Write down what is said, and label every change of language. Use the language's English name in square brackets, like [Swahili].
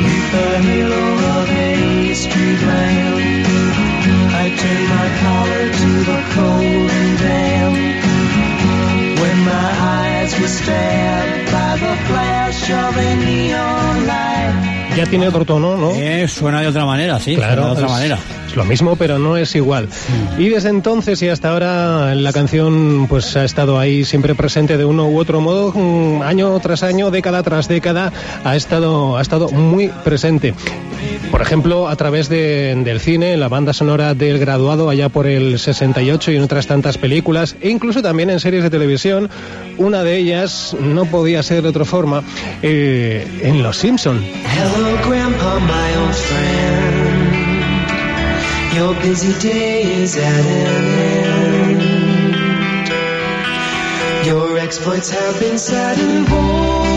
[English] The halo of a street lamp, I turn my collar to the cold and damp. When my eyes were stabbed by the flash of a neon light. [Spanish] Ya tiene otro tono, ¿no? Suena de otra manera, sí, claro, suena de otra manera. Es lo mismo, pero no es igual. Y desde entonces y hasta ahora, la canción pues ha estado ahí siempre presente de uno u otro modo, año tras año, década tras década, ha estado muy presente. Por ejemplo, a través del cine, la banda sonora del Graduado allá por el 68 y en otras tantas películas, e incluso también en series de televisión, una de ellas no podía ser de otra forma, en Los Simpson. [English] Hello, Grandpa, my old friend. Your busy day is at an end. Your exploits have been sad and bold.